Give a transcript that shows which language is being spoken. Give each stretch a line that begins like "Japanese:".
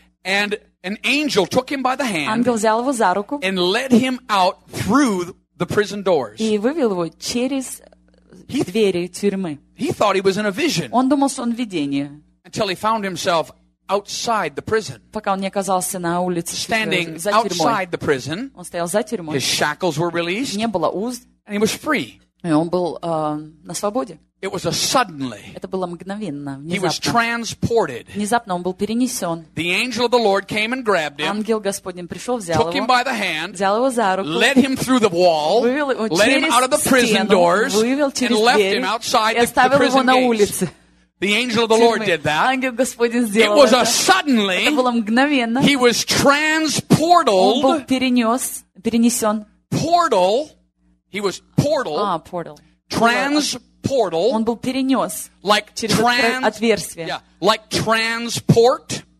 English: And an angel took him by the hand.
Russian: Ангел взял его за руку.
English: And led him out through the prison doors.
Russian: И вывел его через двери тюрьмы.
English: He thought he was in a vision.
Russian: Он думал, что он в видении.
English: Until he found himself outside the prison.
Russian: Пока он не оказался на улице.
English: Standing
Russian: за тюрьмой.
English: Outside the prison.
Russian: Он стоял за тюрьмой.
English: His shackles were released.
Russian: Не было уз.
English: And he was free.
Russian: И он был на свободе.
English: It was a suddenly.
Russian: Это было мгновенно, внезапно.
English: He was transported.
Russian: Внезапно он был перенесен.
English: The angel of the Lord came and grabbed him.
Russian: Ангел Господень пришел, взял
English: took
Russian: его.
English: Took him by the hand.
Russian: Взял его за руку.
English: Led him through the wall.
Russian: Вывел его через стену.
English: Led him out of the prison doors.
Russian: Вывел через
English: and left him outside
Russian: и оставил
English: the prison
Russian: его на улице.
English: The angel of the Lord did that.
Russian: Ангел Господень сделал
English: это. It was A suddenly.
Russian: Это было мгновенно.
English: He was transported.
Russian: Он был перенесен.
English: Portal. He was portal. А, portal. Trans portal.
Russian: Он был перенес.
English: Like
Russian: через отверстие.
English: Yeah, like transport.